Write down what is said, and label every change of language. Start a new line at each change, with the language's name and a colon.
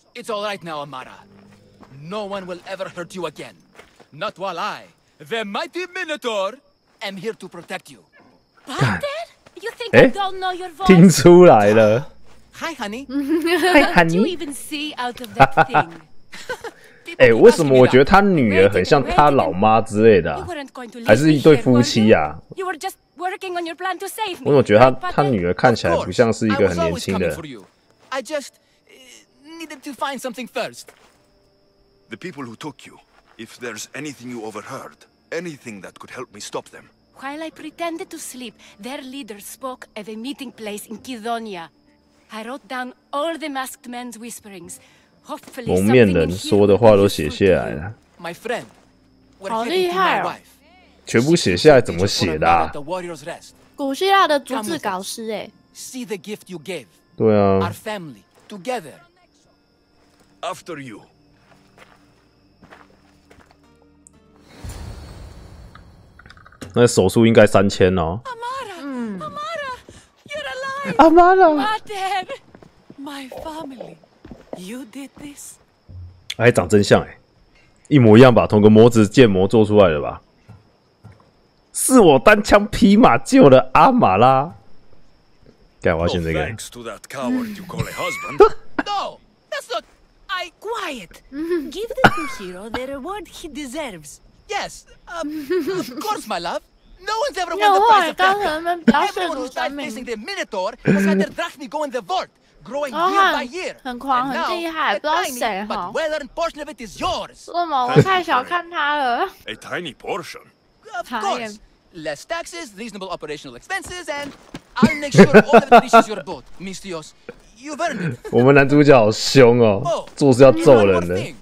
English: It's all right now, Amara. No one will ever hurt you again. Not while I, the mighty Minotaur, am here to protect you. Pater? You think I don't know your voice?
Chinese: 听出来了。
English: Hi, honey. Hi, honey. Do you even see out of that thing?
Chinese: 为什么我觉得他女儿很像他老妈之类的、啊？还是一对夫妻呀、啊？
English: You were just working on your plan to save me.
Chinese: 我怎么觉得他女儿看起来不像是一个很年轻的
English: ？I was always coming for you. I just needed to find something first. The people who took you, if there's anything you overheard, anything that could help me stop them. While I pretended to sleep, their leader spoke at a meeting place in Kidonia. I wrote down all the masked men's whisperings. Hopefully, something in here will be useful. My friend, we're heading to my wife.
Chinese: 全部写下来怎么写的、啊？古希腊的逐字稿师哎。
English: See the gift you gave.
Chinese: 对啊。
English: Our family together. After you.
Chinese: 那手术应该3000哦。
English: Amara, you're alive. Amara, Mater, my family, you did this.
Chinese: 哎，长真像哎，一模一样吧，同个模子建模做出来的吧？是我单枪匹马救了阿玛拉。干，我要选这个。
English: Thanks to that coward you call a husband. No, that's not. I quiet. Give the new hero the reward he deserves. Yes, of course, my love. No one's ever won the prize of death. Everyone who's died facing the Minotaur has had their drachmi go in the vault, growing year by year.
Chinese: 很狂，很厉害，不知道谁哈。
English: But well-earned portion of it is yours.
Chinese: 为什么我太小看他了
English: ？A tiny portion. Of course, less taxes, reasonable operational expenses, and I'll make sure all of it reaches your boat, Mistios. You've earned it.
Chinese: 我们男主角好凶哦，做事要揍人的。